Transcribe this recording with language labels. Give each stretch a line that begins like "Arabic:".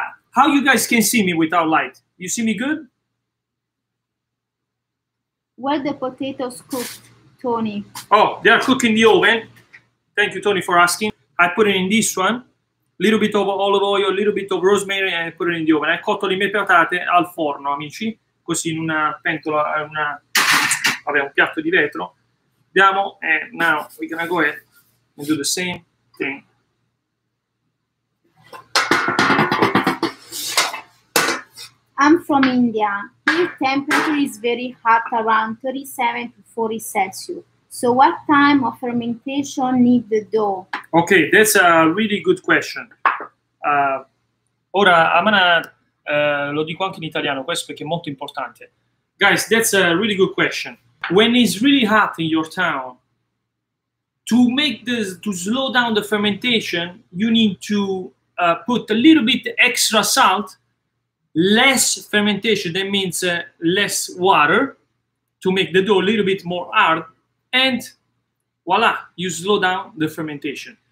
English: How you guys can see me without light? You see me good? Where the potatoes cooked, Tony? Oh, they are cooking the oven. Thank you, Tony, for asking. I put it in this one. Little bit of olive oil, a little bit of rosemary and put it in the oven.
Italian: I cotto le mie patate al forno, amici, così in una pentola, un piatto di vetro.
English: Andiamo, and now we're gonna go ahead and do the same thing. I'm from India. Here temperature is very hot, around 37 to 40 Celsius. So what time of fermentation need the dough? Okay, that's a really good question.
Italian: Lo dico anche in italiano, questo perché è molto importante.
English: Guys, that's a really good question. When it's really hot in your town, to slow down the fermentation, you need to put a little bit extra salt, less fermentation, that means less water, to make the dough a little bit more hard, and voilà, you slow down the fermentation.